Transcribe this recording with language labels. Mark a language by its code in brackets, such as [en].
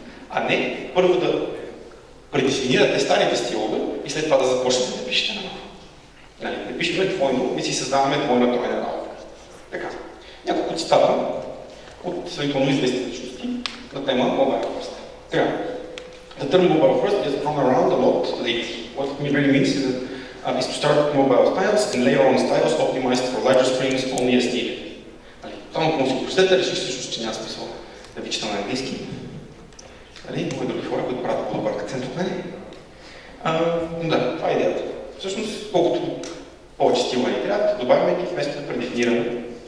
[bg] А не първо да предефинирате старите стилове и след това да започнете да пишете на ново. Нали, не пишеме двойно, ми си създаваме двойна тройна работа. Така, няколко цитата от съвително известни личности на тема Mobile First. Така, [en] the term Mobile First is thrown around a lot lately. What it really means is that is to start with mobile styles and layer on styles optimized for larger screens only as needed. [bg] Само ако му си простете, реших всъщност, че няма смисъл да ви чета на английски. Нали, много други хора, които правят по-добър акцент от мен. Да, това е идеята. Всъщност, колкото повече стила ни трябва, добавяме ги вместо да предефинираме.